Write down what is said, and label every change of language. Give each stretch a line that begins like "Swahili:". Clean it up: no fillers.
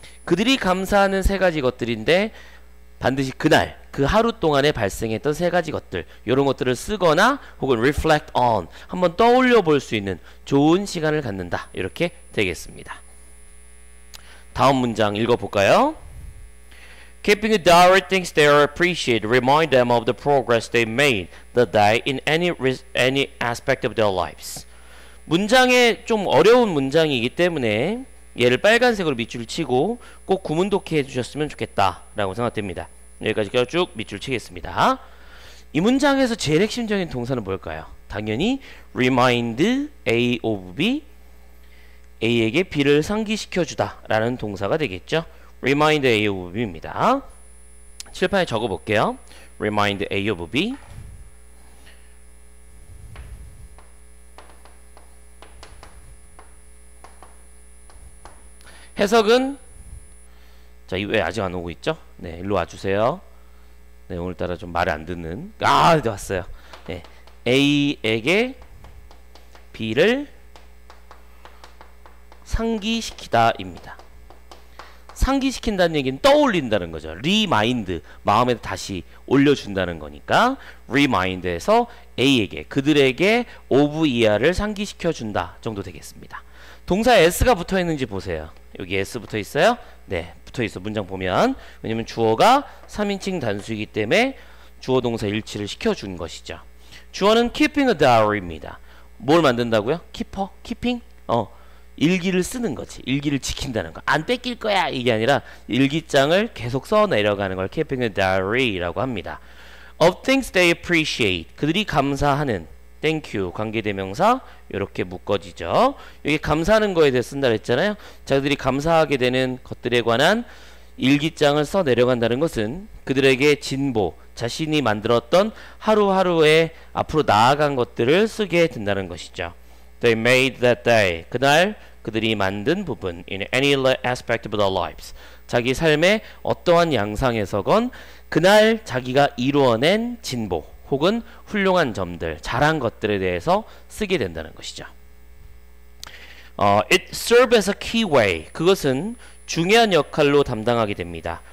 Korean: 그들이 감사하는 세 가지 것들인데 반드시 그날 그 하루 동안에 발생했던 세 가지 것들 이런 것들을 쓰거나 혹은
English: reflect on
Korean: 한번 떠올려 볼 수 있는 좋은 시간을 갖는다 이렇게 되겠습니다. 다음 문장 읽어볼까요?
English: Keeping a diary things they appreciate remind them of the progress they made the day in any aspect of their lives.
Korean: 문장에 좀 어려운 문장이기 때문에 얘를 빨간색으로 밑줄을 치고 꼭 구문독해 해주셨으면 좋겠다라고 생각됩니다. 여기까지 쭉 밑줄 치겠습니다. 이 문장에서 제일 핵심적인 동사는 뭘까요? 당연히
English: remind A of B,
Korean: A에게 B를 상기시켜주다라는 동사가 되겠죠.
English: Remind A of B입니다.
Korean: 칠판에 적어볼게요.
English: Remind A of B.
Korean: 해석은 자, 왜 아직 안 오고 있죠? 네, 일로 와주세요. 네, 오늘따라 좀 말을 안 듣는 아, 이제 왔어요. 네, A에게 B를 상기시키다입니다. 상기시킨다는 얘기는 떠올린다는 거죠. Remind, 마음에 다시 올려준다는 거니까 Remind에서 A에게, 그들에게 of ER을 상기시켜준다 정도 되겠습니다. 동사에 S가 붙어있는지 보세요. 여기 S 붙어있어요? 네, 붙어있어. 문장 보면 왜냐면 주어가 3인칭 단수이기 때문에 주어 동사 일치를 시켜준 것이죠. 주어는
English: Keeping a Diary
Korean: 입니다. 뭘 만든다고요? Keeper? Keeping? 일기를 쓰는 거지. 일기를 지킨다는 거. 안 뺏길 거야 이게 아니라 일기장을 계속 써내려가는 걸
English: keeping a diary
Korean: 라고 합니다.
English: Of things they appreciate,
Korean: 그들이 감사하는
English: thank you
Korean: 관계대명사 이렇게 묶어지죠. 여기 감사하는 거에 대해서 쓴다 그랬잖아요. 자기들이 감사하게 되는 것들에 관한 일기장을 써내려간다는 것은 그들에게 진보 자신이 만들었던 하루하루의 앞으로 나아간 것들을 쓰게 된다는 것이죠.
English: They made that day.
Korean: 그날 그들이 만든 부분
English: in any aspect of their lives.
Korean: 자기 삶의 어떠한 양상에서건 그날 자기가 이루어낸 진보 혹은 훌륭한 점들, 잘한 것들에 대해서 쓰게 된다는 것이죠.
English: It serves as a key way.
Korean: 그것은 중요한 역할로 담당하게 됩니다.